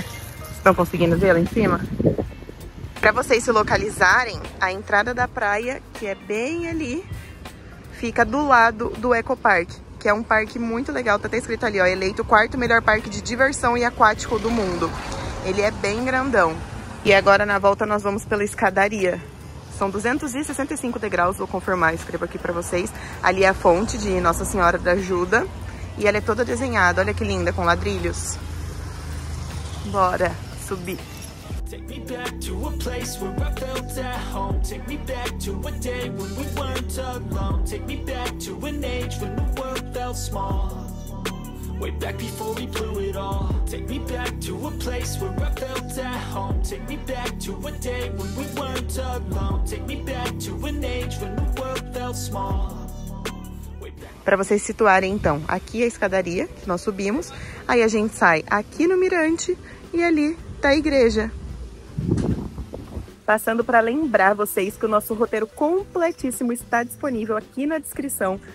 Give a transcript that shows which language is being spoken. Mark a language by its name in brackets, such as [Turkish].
[Portuguese] Vocês estão conseguindo ver lá em cima? Pra vocês se localizarem, a entrada da praia, que é bem ali, fica do lado do Eco Park, que é um parque muito legal, tá até escrito ali, ó, eleito o 4º melhor parque de diversão e aquático do mundo. Ele é bem grandão. E agora, na volta, nós vamos pela escadaria. São 265 degraus, vou confirmar, escrevo aqui pra vocês. Ali é a fonte de Nossa Senhora da Ajuda. E ela é toda desenhada, olha que linda, com ladrilhos. Bora subir. [English] Take me back to a place where I felt at home. Take me back to a day when we weren't alone. Take me back to an age when the world felt small. Way back before we blew it all. Take me back to a place where I felt at home. Take me back to a day when we weren't alone. Take me back to an age when the world felt small. [Portuguese] Para vocês situarem, então, aqui a escadaria que nós subimos. Aí a gente sai aqui no mirante e ali tá a igreja. Passando para lembrar vocês que o nosso roteiro completíssimo está disponível aqui na descrição.